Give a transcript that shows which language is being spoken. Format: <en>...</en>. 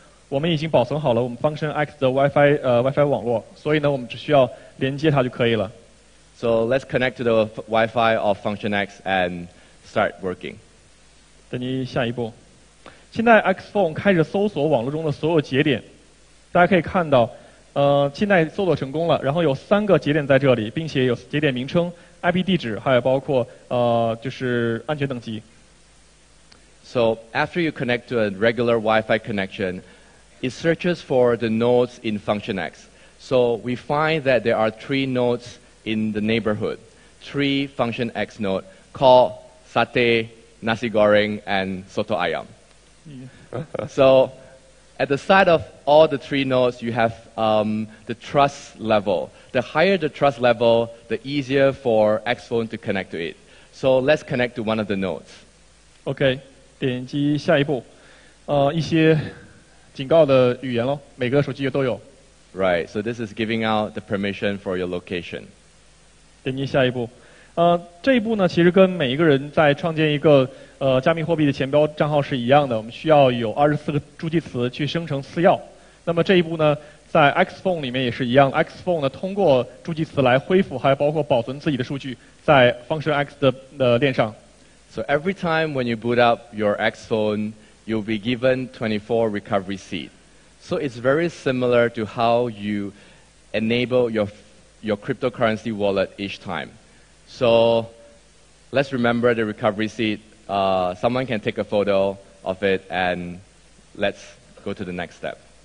<zh>我们现在开始进行这部手机的激活操作。大家可以看到这个是欢迎画面。下一步呢，我们已经保存好了我们 Function X 的 WiFi WiFi 网络，所以呢，我们只需要连接它就可以了。</zh> <en>So let's connect to the WiFi of Function X and start working.</en> <zh>等你下一步。现在 XPhone 开始搜索网络中的所有节点。大家可以看到，现在搜索成功了，然后有三个节点在这里，并且有节点名称。 IP 地址，还有包括就是安全等级。So</zh> <en>after you connect to a regular Wi-Fi connection, it searches for the nodes in Function X. So we find that there are three nodes in the neighborhood, three Function X node called Satay, Nasi Goreng, and Soto Ayam. So at the side of all the three nodes, you have the trust level. The higher the trust level, the easier for XPhone to connect to it. So let's connect to one of the nodes.</en> <zh>Okay, 点击下一步，一些警告的语言咯，每个手机都有。</zh> <en>Right, so this is giving out the permission for your location.</en> <zh>点击下一步，这一步呢，其实跟每一个人在创建一个加密货币的钱包账号是一样的，我们需要有24个助记词去生成私钥。那么这一步呢？在 XPhone 里面也是一样，XPhone呢通过助记词来恢复，还包括保存自己的数据在 Function X 的链上。</zh> <en>So every time when you boot up your XPhone, you'll be given 24 recovery seed. So it's very similar to how you enable your cryptocurrency wallet each time. So let's remember the recovery seed. Someone can take a photo of it and let's go to the next step.</en>